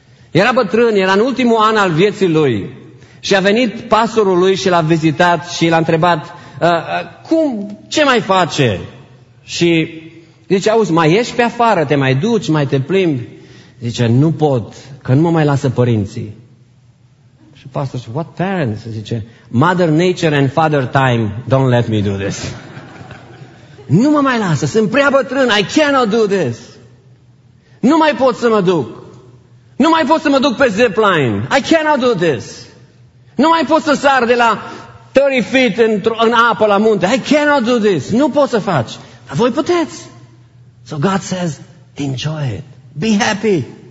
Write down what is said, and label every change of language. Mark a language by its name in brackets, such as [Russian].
[Romanian] Era bătrân, era în ultimul an al vieții lui și a venit pastorul lui și l-a vizitat și l-a întrebat, cum, ce mai face? Și zice, auzi, mai ieși pe afară, te mai duci, mai te plimbi? Zice, nu pot, că nu mă mai lasă părinții. Și pastorul zice, [English] what parents? Zice, Mother Nature and Father Time, don't let me do this. [Romanian] Nu mă mai lasă, sunt prea bătrân, [English] I cannot do this. [Romanian] Nu mai pot să mă duc. Nu mai pot să mă duc pe zipline. [English] I cannot do this. [Romanian] Nu mai pot să sar de la 30 feet în apă la munte. [English] I cannot do this. [Romanian] Nu pot să faci. Dar voi puteți. [English] So God says, enjoy it. Be happy.